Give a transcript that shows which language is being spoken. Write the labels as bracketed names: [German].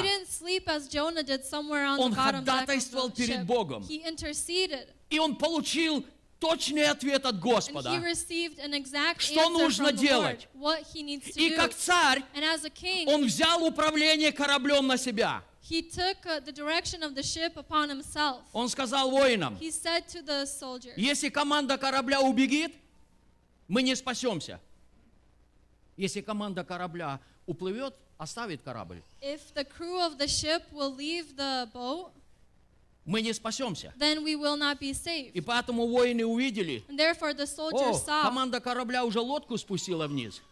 [English] He didn't sleep as Jonah did somewhere on [Russian] он ходатайствовал перед Богом. [English] He interceded. [Russian] И он получил точный ответ от Господа. [English] And he received an exact [Russian] что [English] answer [Russian] нужно [English] from [Russian] делать. [English] The Lord, what he needs to [Russian] и [English] do. [Russian] Как царь, [English] and as a king, [Russian] он взял управление кораблем на себя. [English] He took the direction of the ship upon himself. [Russian] Он сказал воинам. [English] He said to the soldiers. [Russian] Если команда корабля убегит, мы не спасемся. Если команда корабля уплывет, оставит корабль. [English] If the crew of the ship will leave the boat, [Russian] мы не спасемся. [English] Then we will not be saved. [Russian] И поэтому воины увидели. [English] And therefore the soldiers saw. [Russian] Команда корабля уже лодку спустила вниз.